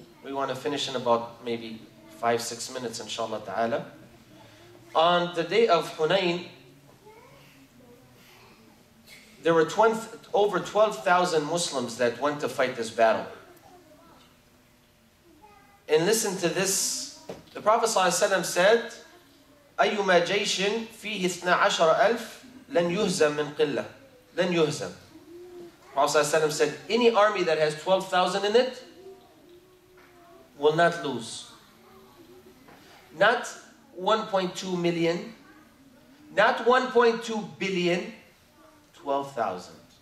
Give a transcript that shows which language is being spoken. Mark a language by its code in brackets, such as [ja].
[en] We want to finish in about maybe 5-6 minutes, inshallah ta'ala. On the day of Hunayn, there were over 12,000 Muslims that went to fight this battle. And listen to this. The Prophet sallallahu alaihi wasallam said, [ar] أَيُّمَا جَيْشٍ فِيهِ 12,000 لَنْ يُهْزَمْ مِنْ قِلَّةٍ لَنْ يُهْزَمْ. [en] The Prophet sallallahu alaihi wasallam said, any army that has 12,000 in it will not lose. Not 1.2 million, not 1.2 billion, 12,000.